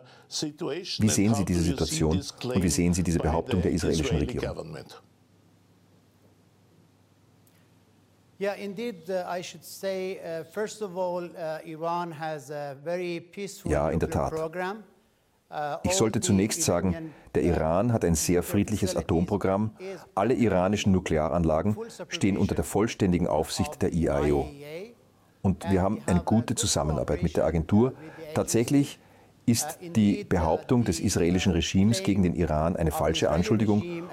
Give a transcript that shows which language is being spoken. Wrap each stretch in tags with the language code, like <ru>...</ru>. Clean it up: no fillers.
<de>Wie sehen Sie diese Situation und wie sehen Sie diese Behauptung der israelischen Regierung?</de> <en>Ja, indeed, I should say, first of all, Iran has a very peaceful nuclear program.</en> <de>Ich sollte zunächst sagen, der Iran hat ein sehr friedliches Atomprogramm. Alle iranischen Nuklearanlagen stehen unter der vollständigen Aufsicht der IAEA. Und wir haben eine gute Zusammenarbeit mit der Agentur. Tatsächlich ist die Behauptung des israelischen Regimes gegen den Iran eine falsche Anschuldigung.</de>